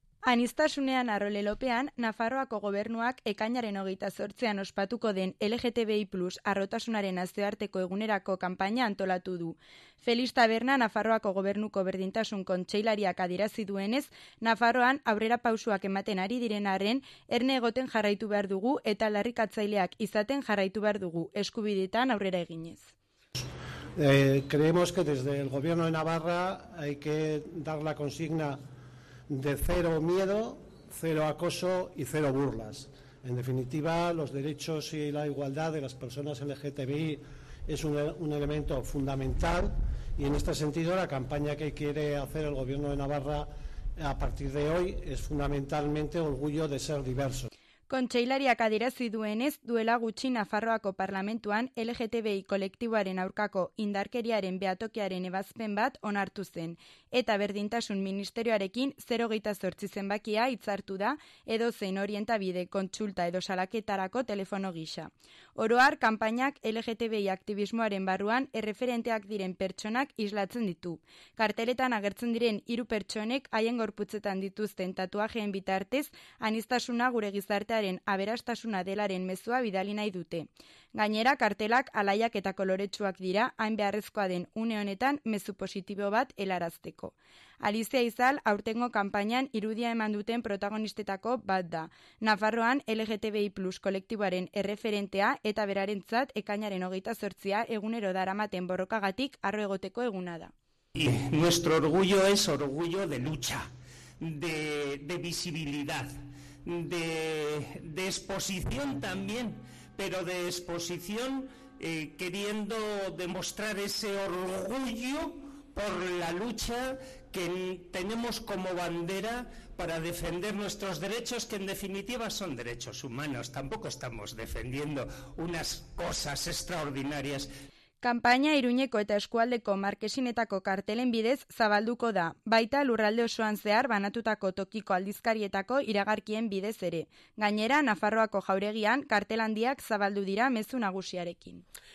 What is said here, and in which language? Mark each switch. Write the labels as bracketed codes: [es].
[eu] Aniztasunean arrolelopean, Nafarroako gobernuak ekainaren 28an ospatuko den LGTBI+ arrotasunaren nazioarteko egunerako kanpaina antolatu du. Felix Taberna, Nafarroako gobernuko berdintasun kontseilariak adierazi duenez, Nafarroan aurrera pausuak ematen ari diren arren, erne egoten jarraitu behar dugu eta larrikatzaileak izaten jarraitu behar dugu eskubidetan aurrera eginez. [es] Creemos que desde el gobierno de Navarra hay que dar la consigna de cero miedo, cero acoso y cero burlas. En definitiva, los derechos y la igualdad de las personas LGTBI es un elemento fundamental y en este sentido la campaña que quiere hacer el Gobierno de Navarra a partir de hoy es fundamentalmente orgullo de ser diversos. [eu] Kontseilariak adierazi duenez, duela gutxi Nafarroako parlamentuan LGTBI kolektiboaren aurkako indarkeriaren behatokiaren ebazpen bat onartu zen, eta berdintasun ministerioarekin 028 zenbakia hitzartu da edozein orientabide kontsulta edo salaketarako telefono gisa. Oro har, kanpainak LGTBI aktivismoaren barruan erreferenteak diren pertsonak islatzen ditu. Karteletan agertzen diren hiru pertsonek haien gorputzetan dituzten tatuajeen bitartez aniztasuna gure gizarte sarearen aberastasuna delaren mezua bidali nahi dute. Gainera, kartelak alaiak eta koloretsuak dira, hain beharrezkoa den une honetan mezu positibo bat helarazteko. Alicia Izal aurtengo kanpainan irudia eman duten protagonistetako bat da. Nafarroan LGTBI Plus kolektiboaren erreferentea eta berarentzat ekainaren 28a egunero daramaten borrokagatik arro egoteko eguna da. [es] Y nuestro orgullo es orgullo de lucha, de visibilidad, de exposición también, pero de exposición queriendo demostrar ese orgullo por la lucha que tenemos como bandera para defender nuestros derechos, que en definitiva son derechos humanos. Tampoco estamos defendiendo unas cosas extraordinarias. [eu] Kanpaina Iruñeko eta eskualdeko markesinetako kartelen bidez zabalduko da, baita lurralde osoan zehar banatutako tokiko aldizkarietako iragarkien bidez ere. Gainera, Nafarroako jauregian kartel handiak zabaldu dira mezu nagusiarekin.